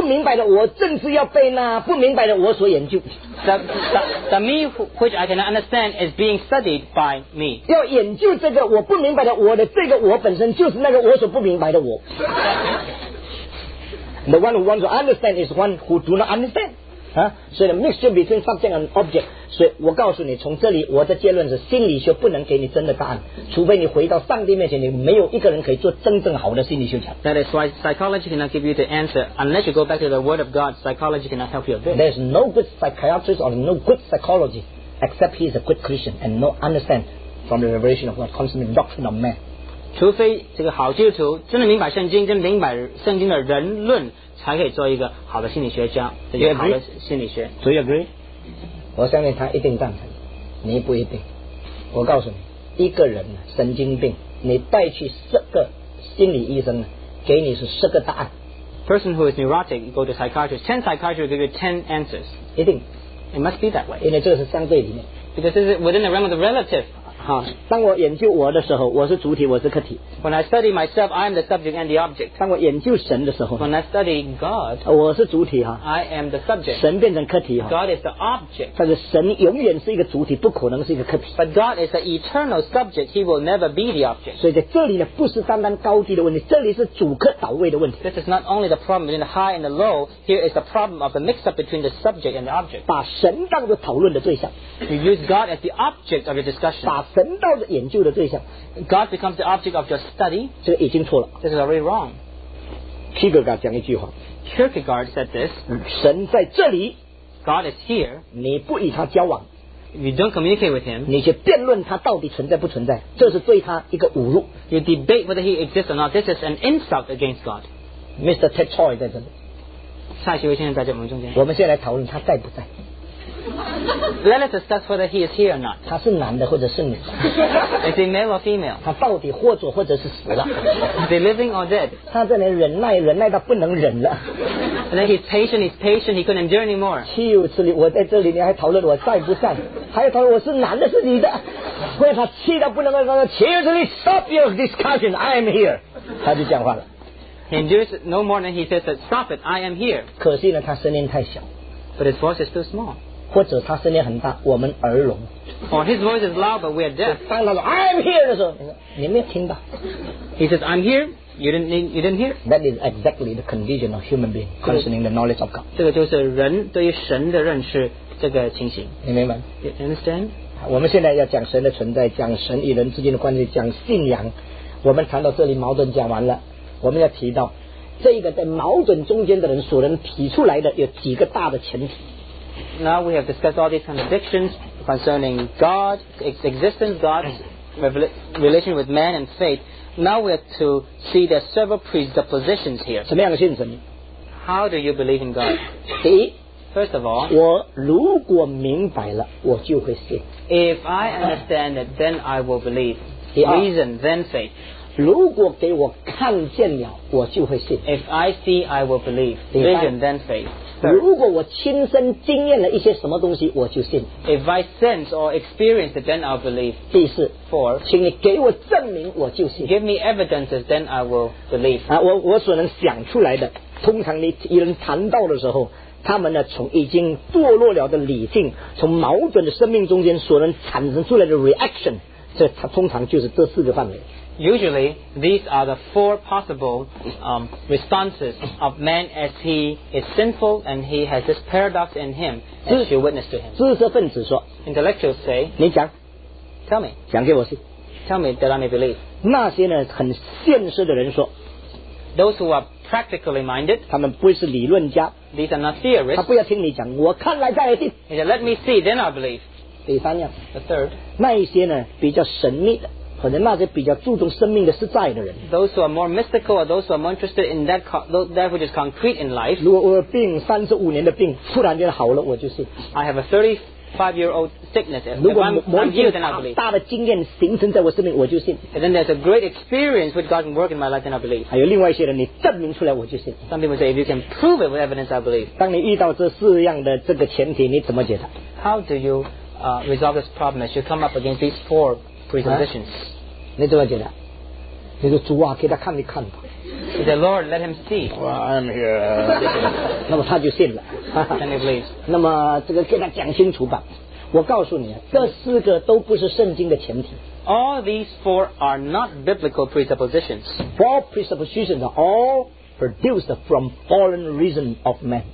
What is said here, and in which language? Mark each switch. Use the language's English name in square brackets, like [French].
[Chinese] 不明白的我正是要被那不明白的我所研究 [English] the me which I cannot understand is being studied by me [Chinese] 要研究这个我不明白的我的这个我本身就是那个我所不明白的我 [English] The one who wants to understand is one who do not understand、 [Chinese] 所以 [English] the mixture between subject and object [Chinese] 所以我告诉你从这里我的结论是心理学不能给你真的答案除非你回到上帝面前你没有一个人可以做真正好的心理学家 [English] That is why psychology cannot give you the answer unless you go back to the word of God psychology cannot help you There is no good psychiatrist or no good psychology except he is a good Christian and no understand from the revelation of God concerning the doctrine of man [Chinese] 除非这个好基督徒真的明白圣经真的明白圣经的人论才可以做一个好的心理学家这个好的心理学 [English] Do you agree? [Chinese] 我相信他一定赞成你不一定我告诉你一个人神经病你带去十个心理医生给你是十个答案 [English] Person who is neurotic go to psychiatrist 10 psychiatrists give you 10 answers [Chinese] 一定 [English] It must be that way [Chinese] 因为这个是相对里面 [English] Because this is within the realm of the relative [Chinese] 好当我研究我的时候我是主体我是客体 [English] When I study myself I am the subject and the object [Chinese] 当我研究神的时候 [English] When I study God [Chinese] 我是主体 [English] I am the subject [Chinese] 神变成客体 [English] God is the object [Chinese] 但是神永远是一个主体不可能是一个客体 [English] But God is the eternal subject He will never be the object [Chinese] 所以在这里呢不是单单高低的问题这里是主客倒位的问题 [English] This is not only the problem between the high and the low Here is the problem of the mix up between the subject and the object [Chinese] 把神当作讨论的对象 [English] You use God as the object of your discussion [Chinese] 把神道的研究的对象 [English] God becomes the object of your study [Chinese] 这个已经错了 [English] This is already wrong [Chinese] Kierkegaard 讲一句话 [English] Kierkegaard said this [Chinese] 神在这里 [English] God is here [Chinese] 你不与他交往 [English] You don't communicate with him [Chinese] 你去辩论他到底存在不存在这是对他一个侮辱 [English] You debate whether he exists or not This is an insult against God Mr. [Chinese] Ted Choi 在这里蔡徐威先生在我们中间我们现在来讨论他在不在 [English] Let us discuss whether he is here or not. [Chinese] 他是男的或者是女的 [English] Is he male or female? [Chinese] 他到底活着或者是死了 [English] Is he living or dead? [Chinese] 他在那忍耐忍耐到不能忍了 [English] And then he's patient, he couldn't endure anymore. [Chinese] 岂有此理我在这里你还讨论我在不在还要讨论我是男的是女的所以他气到不能忍了岂有此理 [English] stop your discussion, I am here. [Chinese] 他就讲话了 [English] He endures no more than he says that stop it, I am here. [Chinese] 可惜呢他声音太小 [English] But his voice is too small. [Chinese] 或者他声音很大我们耳聋 [English] Or his voice is loud but we are deaf [Chinese] 当他说 [English] I'm here [Chinese] 的时候你没有听到 [English] He says I'm here you didn't hear That is exactly the condition of human being concerning the knowledge of God [Chinese] 这个就是人对于神的认识这个情形你明白 [English] You understand [Chinese] 我们现在要讲神的存在讲神与人之间的关系讲信仰我们谈到这里矛盾讲完了我们要提到这个在矛盾中间的人所能提出来的有几个大的前提 [English] Now we have discussed all these contradictions concerning God, its existence, God's relation with man and faith. Now we have to see there are several presuppositions here. [Chinese] 什么样的信神? [English] How do you believe in God? [Chinese] 第一, [English] First of all, [Chinese] 我如果明白了,我就会信。 [English] If I understand it, then I will believe. Reason, then faith. [Chinese] 如果给我看见了,我就会信。 [English] If I see, I will believe. Reason, then faith. [Chinese] 如果我亲身经验了一些什么东西我就信 [English] If I sense or experience it then I'll believe [Chinese] 第四 [English] Four [Chinese] 请你给我证明我就信 [English] Give me evidences then I will believe [Chinese] 我所能想出来的通常你与人谈到的时候他们呢从已经堕落了的理性从矛盾的生命中间所能产生出来的 reaction 这它通常就是这四个范围 [English] Usually, these are the four possible responses of man as he is sinful and he has this paradox in him as you witness to him. [Chinese] 知识分子说 [English] Intellectuals say, [Chinese] 你讲 [English] Tell me. [Chinese] 讲给我信 [English] Tell me that I may believe. [Chinese] 那些呢很现实的人说 [English] Those who are practically minded, [Chinese] 他们不是理论家 [English] These are not theorists. [Chinese] 他不要听你讲我看来再来信 [English] He said, let me see, then I believe. [Chinese] 第三样 [English] The third, [Chinese] 那一些呢比较神秘的可能那些比较注重生命的实在的人 [English] Those who are more mystical or those who are more interested in that which is concrete in life [Chinese] 如果我有病35年的病突然间好了我就信 [English] I have a 35 year old sickness [Chinese] 如果某一个大的经验形成在我生命我就信 [English] And then there's a great experience with God's work in my life then I believe [Chinese] 还有另外一些人你证明出来我就信 [English] Some people say if you can prove it with evidence I believe [Chinese] 当你遇到这四样的这个前提你怎么解答 [English] How do you resolve this problem as you come up against these four presuppositions [Chinese] 你怎么解答你说主啊，给他看一看吧。 [English] He said, Lord, let him see. Well, I'm here. [Chinese] 那么他就信了。 [English] Can you please? [Chinese] 那么这个给他讲清楚吧。我告诉你，这四个都不是圣经的前提。 [English] All these four are not biblical presuppositions. Four presuppositions are all produced from fallen reason of man.